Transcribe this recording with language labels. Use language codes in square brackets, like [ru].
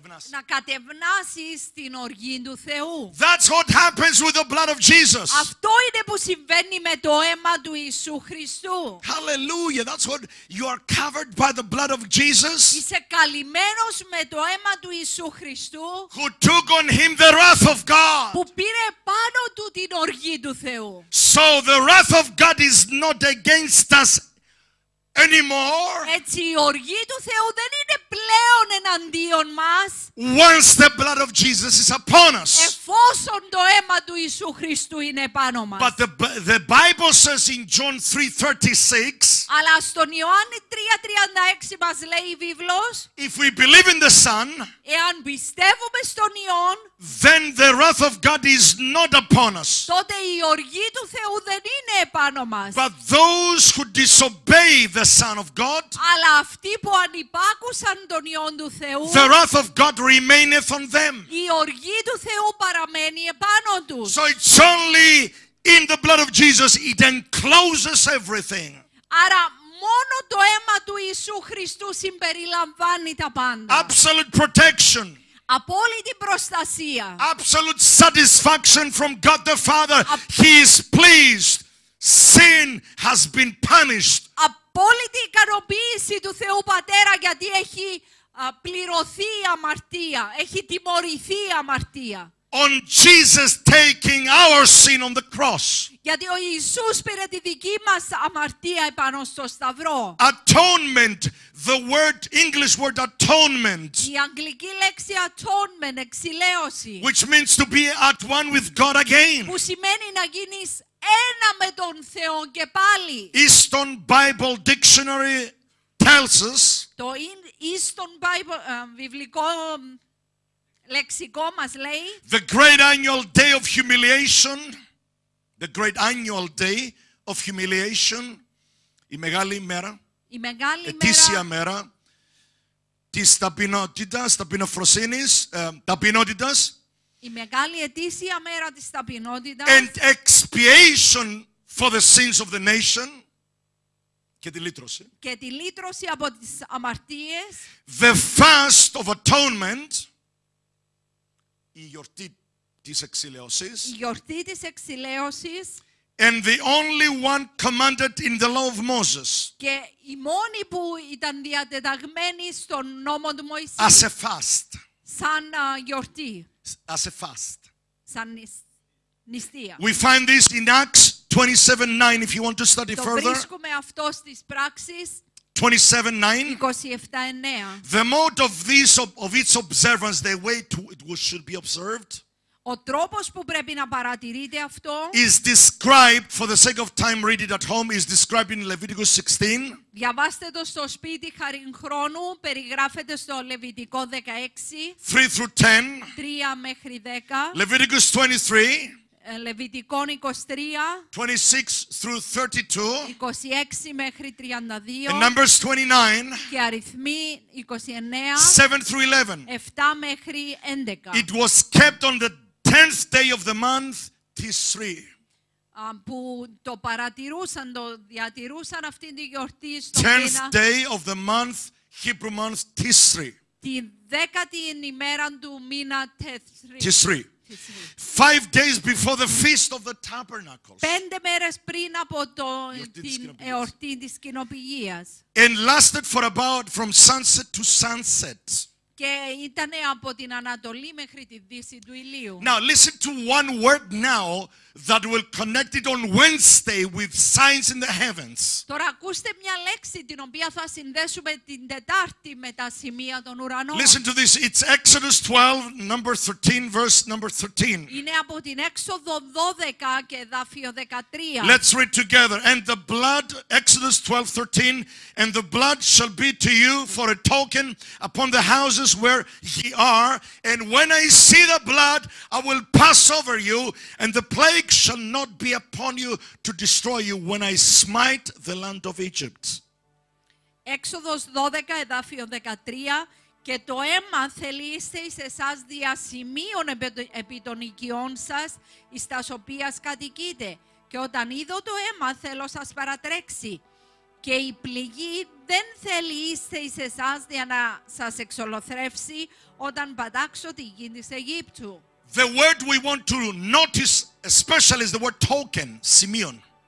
[el] Να κατευνάσεις την οργή του Θεού. [en] That's what happens with the blood of Jesus. [el] Αυτό είναι που συμβαίνει με το αίμα του Ιησού Χριστού. [en] Hallelujah. That's what you are covered by the blood of Jesus. [el] Είσαι καλυμμένος με το αίμα του Ιησού Χριστού. [en] Who took on him the wrath of God. [el] Που πήρε πάνω του την οργή του Θεού. [en] So the wrath of God is not against us anymore. [el] Έτσι η οργή του Θεού δεν είναι πλέον εναντίον μας. [en] Once the blood of Jesus is upon us. [el] Εφόσον το αίμα του Ιησού Χριστού είναι πάνω μας. [en] But the Bible says in John 3:36. [el] Αλλά στον Ιωάννη 3:36 μας λέει η Βίβλος. [en] If we believe in the Son. [el] Εάν πιστεύουμε στον Υιόν. [en] Then the wrath of God is not upon us. [el] Τότε η οργή του Θεού δεν είναι επάνω μας. [en] But those who disobey the Son of God. [el] Αλλά αυτοί που ανυπάκουσαν τον Υιόν του Θεού. [en] The wrath of God remaineth on them. [el] Η οργή του Θεού παραμένει επάνω τους. [en] So it's only in the blood of Jesus. It encloses everything. [el] Άρα μόνο το αίμα του Ιησού Χριστού συμπεριλαμβάνει τα πάντα. [en] Absolute protection. [el] Απόλυτη προστασία. [en] Absolute satisfaction from God the Father. He is pleased. Sin has been punished. [el] απόλυτη ικανοποίηση του Θεού Πατέρα, γιατί έχει πληρωθεί η αμαρτία, έχει τιμωρηθεί η αμαρτία. [en] On Jesus taking our sin on the cross. [el] Γιατί ο Ιησούς πήρε τη δική μας αμαρτία επάνω στο σταυρό. [en] Atonement, the word, English word atonement. [el] Η αγγλική λέξη atonement, εξιλέωση. [en] Which means to be at one with God again. [el] Που σημαίνει να γίνεις ένα με τον Θεό και πάλι. [en] Easton Bible Dictionary tells us. [el] Το Easton Bible βιβλικό λεξικό μας λέει, [en] the great annual day of humiliation, the great annual day of humiliation, [el] η μεγάλη μέρα, η μεγάλη ετήσια μέρα της ταπεινότητας, ταπεινοφροσύνης, ταπεινότητας, η μεγάλη ετήσια μέρα της ταπεινότητας, [en] and expiation for the sins of the nation, [el] και τη λύτρωση, και τη λύτρωση από τις αμαρτίες, [en] the fast of atonement, [el] η γιορτή της εξιλέωσης, η γιορτή της εξιλέωσης, [en] and the only one commanded in the law of Moses, [el] και η μόνη που ήταν διατεταγμένη στον νόμο του Μωυσή, [en] as a fast, [el] σαν γιορτή, [en] as a fast, [el] σαν νηστεία. [en] We find this in Acts 27:9 if you want to study [el] το [en] further. [el] Το βρίσκουμε αυτό στις πράξεις 27:9. [en] The mode of this of its observance, the way to it should be observed, [el] ο τρόπος που πρέπει να παρατηρείται αυτό, [en] is described, for the sake of time, read it at home, is described in Leviticus 16. [el] Διαβάστε το στο σπίτι χάρη χρόνου, περιγράφεται στο Λεβιτικό 16. [en] 3 through 10. [el] 3 μέχρι 10. [en] Leviticus 23. [el] Λεβιτικών 23, [en] 26 through 32, [el] 26 μέχρι 32, [en] and Numbers 29, [el] και Αριθμοί 29, [en] 7 through 11, [el] 7 μέχρι 11. [en] It was kept on the 10th day of the month, Tishri. [el] Που το παρατηρούσαν, το διατηρούσαν αυτή τη γιορτή στο [en] 10th day of the month, Hebrew month, Tishri. [el] Την 10η ημέρα του μήνα Tishri. [en] Tishri. 5 days before the feast of the tabernacles. [el] 5 μέρες πριν από το την εορτή της κοινοποιίας. [en] And lasted for about from sunset to sunset. [el] Και ήταν από την ανατολή μέχρι τη δύση του ηλίου. [en] Now listen to one word now that will connect it on Wednesday with signs in the heavens. [el] Τώρα ακούστε μια λέξη την οποία θα συνδέσουμε την Τετάρτη με τα σημεία των ουρανών. [en] Listen to this. It's Exodus 12, number 13, verse number 13. [el] Είναι από την Έξοδο 12 και εδάφιο 13. [en] Let's read together. And the blood, Exodus 12, 13, and the blood shall be to you for a token upon the house where ye are, and when I see the blood, I will pass over you, and the plague shall not be upon you to destroy you when I smite the land of Egypt. [el] Έξοδος 12, εδάφιο 13, και το αίμα θέλει είστε εις εσάς διασημείων επί των οικειών σας, εις τας οποίας κατοικείτε. Και όταν είδω το αίμα, θέλω σας παρατρέξει. Και η πληγή δεν θέλει είστε εις εσάς για να σας εξολοθρεύσει όταν πατάξω τη γη της Αιγύπτου. [en] The word we want to notice especially is the word token, σημείων.